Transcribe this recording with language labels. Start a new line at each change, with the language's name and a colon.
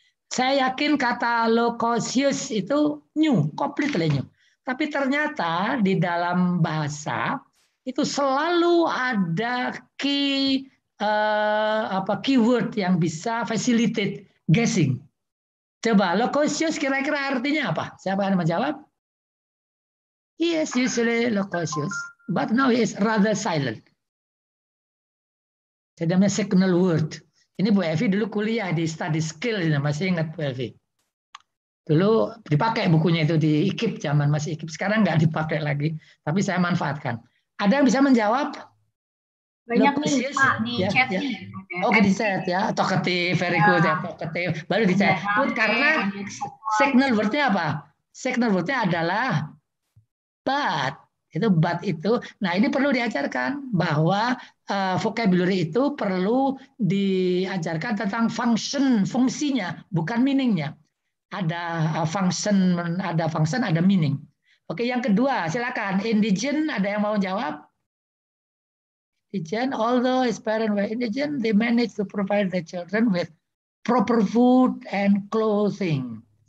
Indonesian: Saya yakin kata locutus itu
English: new, completely new.
Indonesian: Tapi ternyata di dalam bahasa, itu selalu ada keyword yang bisa
English: facilitate guessing.
Indonesian: Coba locutus kira-kira artinya apa? Siapa yang menjawab?
English: He is usually locutus, but now he is rather silent.
Indonesian: Saya namanya signal word. Ini Bu Evi dulu kuliah di study skill, masih ingat Bu Evi. Dulu dipakai bukunya itu di IKIP, zaman masih IKIP. Sekarang nggak dipakai lagi, tapi saya manfaatkan. Ada yang bisa menjawab? Banyak nih, Pak, di chat ya. Oke, di chat ya. Talkative,
English: very good.
Indonesian: Ya. Talkative, baru di chat. Put, karena signal word-nya apa? Signal word-nya adalah but. itu but itu. Nah ini perlu diajarkan bahwa vocabulary itu perlu diajarkan tentang function, fungsinya, bukan meaningnya. Ada function, ada function, ada meaning. Oke, yang kedua, silakan. Indigent, ada yang mau jawab?
English: Indigent, although his parents were indigent, they managed to provide the children with proper food and clothing.